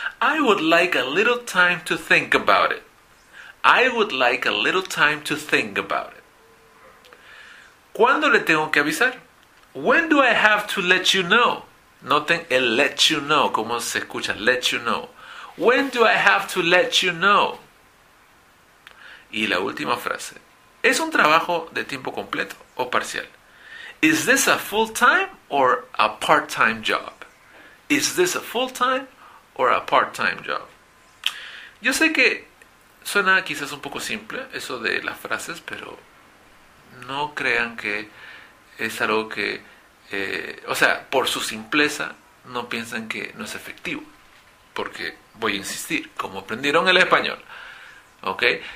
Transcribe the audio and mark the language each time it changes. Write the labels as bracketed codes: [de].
[en] I would like a little time to think about it. I would like a little time to think about it. [es] ¿Cuándo le tengo que avisar? [en] When do I have to let you know? [es] Noten el [en] let you know, [es] como se escucha, let you know. [en] When do I have to let you know? [es] Y la última frase. ¿Es un trabajo de tiempo completo o parcial? [en] Is this a full-time or a part-time job? Is this a full-time or a part-time job? [es] Yo sé que suena quizás un poco simple eso de las frases, pero no crean que es algo que... por su simpleza, no piensen que no es efectivo. Porque, voy a insistir, como aprendieron el español. ¿Okay?